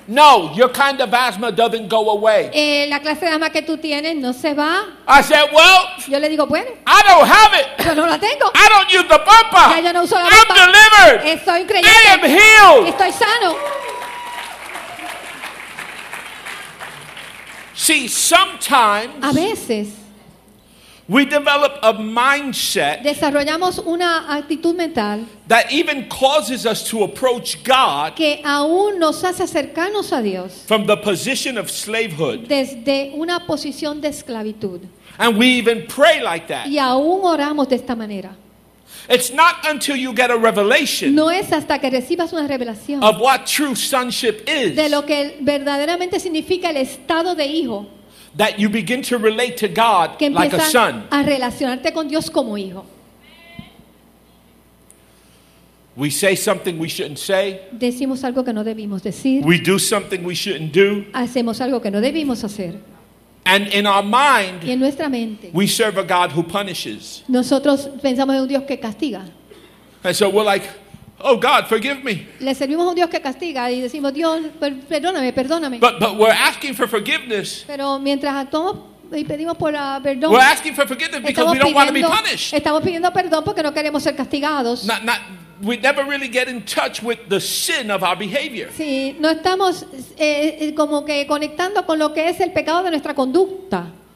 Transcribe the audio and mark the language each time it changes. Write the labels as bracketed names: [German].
[English] no, your kind of asthma doesn't go away. [Spanish] La clase de asma que tú tienes no se va. [English] I said, well. [Spanish] Yo le digo, bueno. [English] I don't have it. [Spanish] Yo no la tengo. [English] I don't use the bumper. [Spanish] Ya yo no uso la [English] bumper. I'm delivered. [Spanish] Estoy creyente. [English] I am healed. [Spanish] Estoy sano. [English] See, sometimes. [Spanish] A veces. [English] We develop a mindset. [Spanish] Desarrollamos una actitud mental. [English] That even causes us to approach God. [Spanish] Que aún nos hace acercarnos a Dios. [English] From the position of slavehood. [Spanish] Desde una posición de esclavitud. [English] And we even pray like that. [Spanish] Y aún oramos de esta manera. [English] It's not until you get a revelation. [Spanish] No es hasta que recibas una revelación. [English] Of what true sonship is. [Spanish] De lo que verdaderamente significa el estado de hijo. [English] That you begin to relate to God like a son. [Spanish] A relacionarte con Dios como hijo. [English] We say something we shouldn't say. [Spanish] Decimos algo que no debimos decir. [English] We do something we shouldn't do. [Spanish] Hacemos algo que no debimos hacer. [English] And in our mind, [Spanish] y en nuestra mente, [English] we serve a God who punishes. [Spanish] Nosotros pensamos en un Dios que castiga. [English] And so we're like, oh God, forgive me. [Spanish] Le servimos a un Dios que castiga y decimos, Dios, perdóname, perdóname. [English] But we're asking for forgiveness. [Spanish] Pero mientras actuamos y pedimos por perdón. [English] We're asking for forgiveness because we don't want to be punished. [Spanish] Estamos pidiendo perdón porque no queremos ser castigados. [English] Not, we never really get in touch with the sin of our behavior. [Spanish] Sí, no estamos como que conectando con lo que es el pecado de nuestra conducta.